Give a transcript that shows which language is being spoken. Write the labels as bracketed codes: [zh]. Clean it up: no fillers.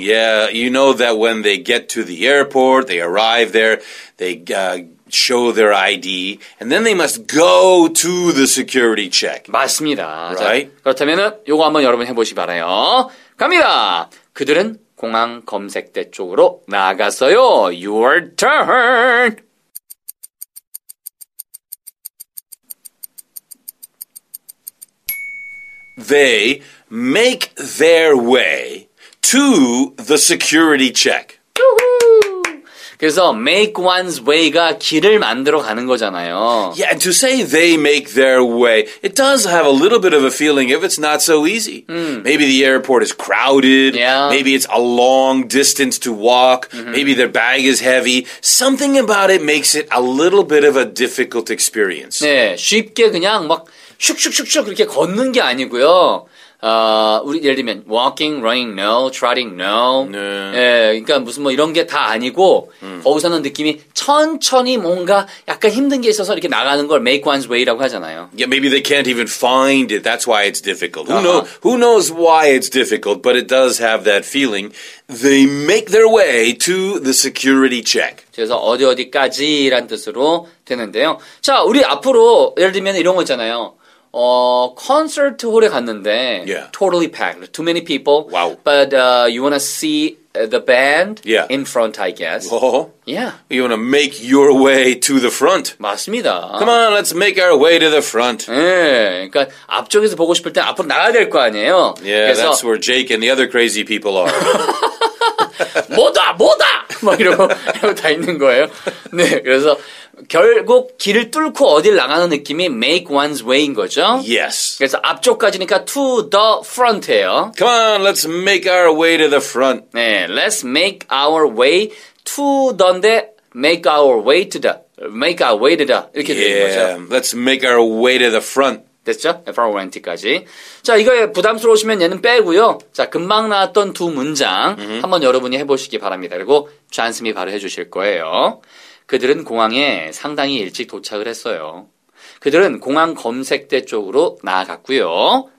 [en] Yeah, you know that when they get to the airport, they arrive there, they show their ID, and then they must go to the security check. [ko] 맞습니다. [en] Right? [ko] 자, 그렇다면은 요거 한번 여러분 해보시기 바라요. 갑니다. 그들은 공항 검색대 쪽으로 나아갔어요. [en] Your turn. They make their way to the security check. [ko] 그래서 make one's way가 길을 만들어 가는 거잖아요. [en] Yeah, and to say they make their way, it does have a little bit of a feeling if it's not so easy. Maybe the airport is crowded. Yeah. Maybe it's a long distance to walk. Mm-hmm. Maybe their bag is heavy. Something about it makes it a little bit of a difficult experience. [ko] 네, 쉽게 그냥 막 슉슉슉슉 그렇게 걷는 게 아니고요. 우리 예를 들면 [en] walking, running, no, trotting, no. [ko] 네. 예, 그러니까 무슨 뭐 이런 게 다 아니고 거기서는 느낌이 천천히 뭔가 약간 힘든 게 있어서 이렇게 나가는 걸 make one's way라고 하잖아요. [en] Yeah, maybe they can't even find it. That's why it's difficult. Who knows why it's difficult, but it does have that feeling. They make their way to the security check. [ko] 그래서 어디 어디까지란 뜻으로 되는데요. 자, 우리 앞으로 예를 들면 이런 거 있잖아요. concert 홀에 갔는데 [en] yeah. totally packed. Too many people. Wow. But you want to see the band yeah. in front, I guess. Oh. Yeah. You want to make your way to the front. [ko] 맞습니다. [en] Come on, let's make our way to the front. [ko] 예. 그러니까 앞쪽에서 보고 싶을 때 앞으로 나가야 될 거 아니에요. [en] Yeah, [ko] 그래서, [en] that's where Jake and the other crazy people are. [ko] 뭐다, 뭐다! 막 이러고 다 있는 거예요. 네, 그래서 결국 길을 뚫고 어딜 나가는 느낌이 make one's way인 거죠. [en] Yes. [ko] 그래서 앞쪽까지니까 to the front예요. [en] Come on, let's make our way to the front. [ko] 네, [en] let's make our way to the인데 make our way to the, make our way to the 이렇게 yeah, [ko] 되는 거죠. [en] Let's make our way to the front. [ko] 됐죠? front까지. 자, 이거에 부담스러우시면 얘는 빼고요. 자, 금방 나왔던 두 문장 mm-hmm. 한번 여러분이 해보시기 바랍니다. 그리고 찬스미 바로 해주실 거예요. 그들은 공항에 상당히 일찍 도착을 했어요. 그들은 공항 검색대 쪽으로 나아갔고요.